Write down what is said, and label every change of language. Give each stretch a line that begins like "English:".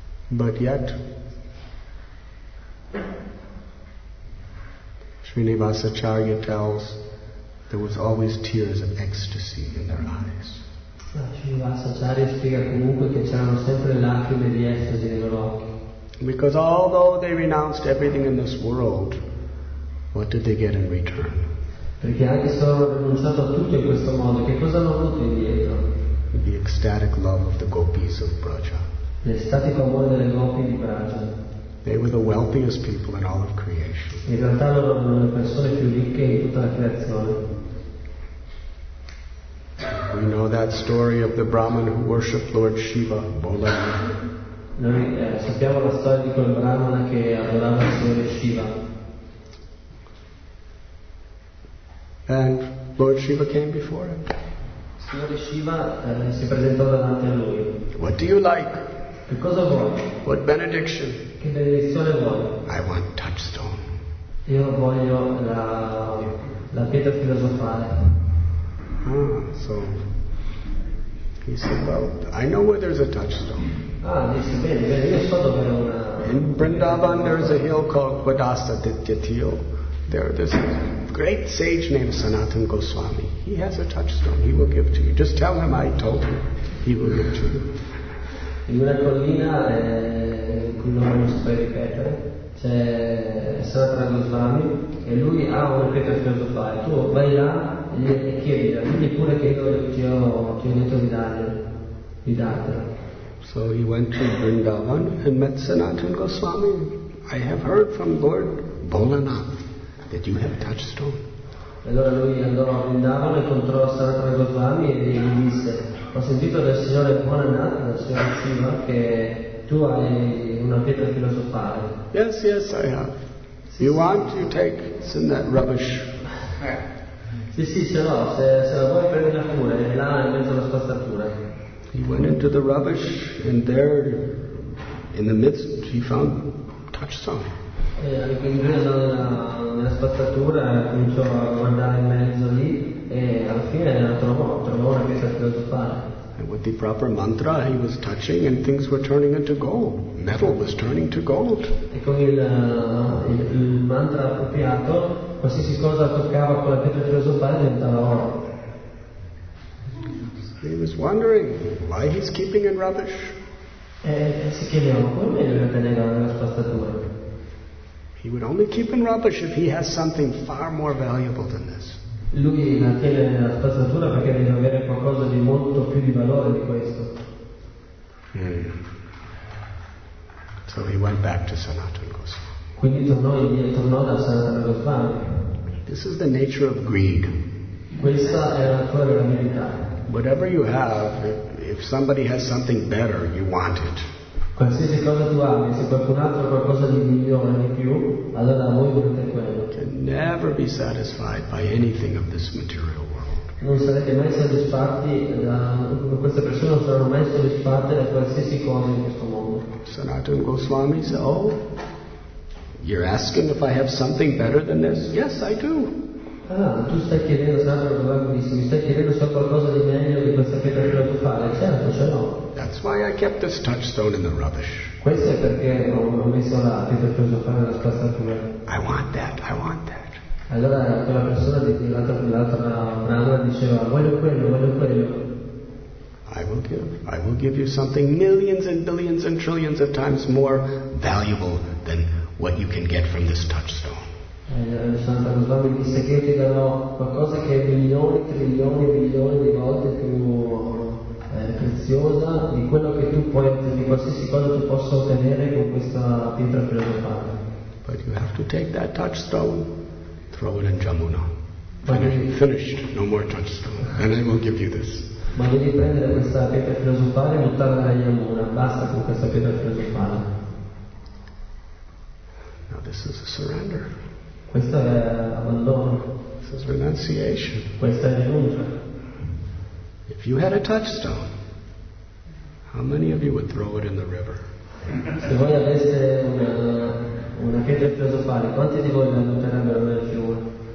English: But yet, Srinivasacharya tells there was always tears of ecstasy in their eyes.
Italian: Srinivasacharya spiega comunque che c'erano sempre lacrime di estasi nei loro occhi.
English: Because although they renounced everything in this world, what did they get in return?
Italian: Perché anche se hanno rinunciato a tutto in questo mondo, che cosa hanno avuto indietro?
English: The ecstatic love of the gopis of Braja.
Italian: L'estatico amore delle gopi di Braja.
English: They were the wealthiest people in all of creation.
Italian: In realtà loro erano le persone più ricche in tutta la creazione.
English: We know that story of the Brahmin who worshipped Lord Shiva, Bola.
Italian: Noi sappiamo la storia di quel Brahmana che adorava il Signore Shiva.
English: And Lord Shiva came before him.
Italian: Signore Shiva si presentò davanti a lui.
English: What do you like?
Italian: Che cosa vuoi?
English: What benediction?
Italian: Che benedizione vuoi?
English: I want touchstone.
Italian: Io voglio la pietra filosofale.
English: So he said, "Well, I know where there's a touchstone."
Italian: Ah, dice bene, bene. Io so dove è una.
English: In Vrindavan there's a hill called Padasaditya. There's a great sage named Sanatan Goswami. He has a touchstone. He will give to you. Just tell him I told him. He will give to you.
Italian: In una collina, cui non mi so ripetere, c'è Sanatan Goswami e lui ha una pietra filosofale. Tu vai là. E chiedila, quindi pure che io ti ho detto di dargliela.
English: So he went to Vrindavan and met Sanatan Goswami. I have heard from Lord Bolanath that you have touchstone.
Italian: Allora lui andò a Vrindavan e incontrò Sanatan Goswami e gli disse: ho sentito dal signore Bolanath, dal signore Shiva, che tu hai una pietra filosofale.
English: Yes, yes, I have.
Italian: Sì,
English: you want, you take. It's in that rubbish.
Italian: Sì, sì, se no, se la vuoi prendere pure, è là in mezzo alla spazzatura.
English: He went into the rubbish and there, in the midst, he found Touchstone.
Italian: Nella spazzatura cominciò a guardare in mezzo lì e alla fine trovò una pietra filosofale.
English: And with the proper mantra, he was touching, and things were turning into gold. Metal was turning to gold.
Italian: E con il mantra appropriato, qualsiasi cosa toccava con la pietra filosofale diventava oro.
English: He was wondering why he's keeping in rubbish.
Italian: E si chiedeva come lo teneva nella spazzatura.
English: He would only keep in rubbish if he has something far more valuable than this.
Italian: Lui la tiene nella spazzatura perché deve avere qualcosa di molto più di valore di questo.
English: So he went back to Sanatana Goswami.
Italian: Quindi tornò da Sanatana Goswami.
English: This is the nature of greed.
Italian: Questa è la natura della avidità.
English: Whatever you have, if somebody has something better, you want it.
Italian: Qualsiasi cosa tu abbia, se qualcun altro ha qualcosa di migliore di più, allora voi volete quello.
English: Can never be satisfied by anything of this material world.
Italian: Non sarete mai soddisfatti da queste persone, non saranno mai soddisfatte da qualsiasi cosa in questo mondo.
English: Sanatana Goswami said, "Oh, you're asking if I have something better than this? Yes, I do."
Italian: Ah, tu stai chiedendo, Sanatana Goswami disse, mi stai chiedendo se ho qualcosa di meglio di questa pietra che tu fai? Certo, ce l'ho.
English: That's why I kept this touchstone in the rubbish.
Italian: Questo è perché ho messo la pietra filosofale nella spazzatura.
English: I want that, I want that.
Italian: Allora quella persona dell'altra brava diceva, voglio quello, voglio quello.
English: I will give you something millions and billions and trillions of times more valuable than what you can get from this touchstone.
Italian: Santa Goswami disse che ti darò qualcosa che è milioni, trilioni, milioni di volte più preziosa di quello che tu puoi, di qualsiasi cosa tu possa ottenere con questa pietra filosofale.
English: But you have to take that touchstone, throw it in Jamuna. Finished, no more touchstone. And I will give you this.
Italian: Ma devi prendere questa pietra filosofale e buttarla nella Jamuna. Basta con questa pietra filosofale.
English: Now this is a surrender.
Italian: Questo è abbandono.
English: This is renunciation.
Italian: Questa è rinuncia.
English: If you had a touchstone, how many of you would throw it in the river?
Italian: Se voi aveste una pietra filosofale, quanti di voi la butterebbero nel fiume?